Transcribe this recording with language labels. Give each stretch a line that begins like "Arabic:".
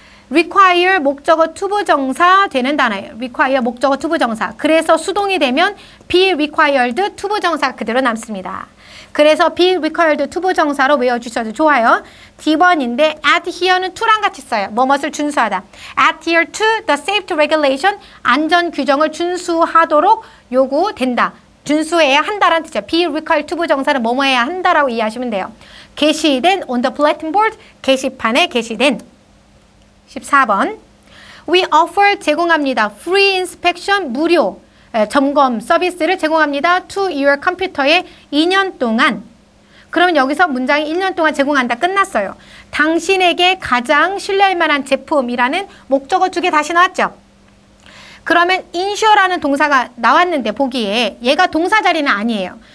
Korean: require 목적어 투부정사 되는 단어예요. require 목적어 투부정사. 그래서 수동이 되면 be required 투부정사 그대로 남습니다. 그래서 be required 투부정사로 외워주셔도 좋아요. D번인데 adhere는 to랑 같이 써요. 뭐뭐를 준수하다.
English: adhere to the safety regulation
Korean: 안전 규정을 준수하도록 요구된다. 준수해야 한다라는 뜻이죠. be required 투부정사는 뭐뭐해야 한다라고 이해하시면 돼요. 게시된
English: on the bulletin board
Korean: 게시판에 게시된. 14번.
English: We offer
Korean: 제공합니다.
English: Free inspection
Korean: 무료 점검 서비스를 제공합니다.
English: To your computer
Korean: 에 2년 동안. 그러면 여기서 문장이 1년 동안 제공한다. 끝났어요. 당신에게 가장 신뢰할 만한 제품이라는 목적어 두 개 다시 나왔죠. 그러면 insure라는 동사가 나왔는데 보기에 얘가 동사 자리는 아니에요.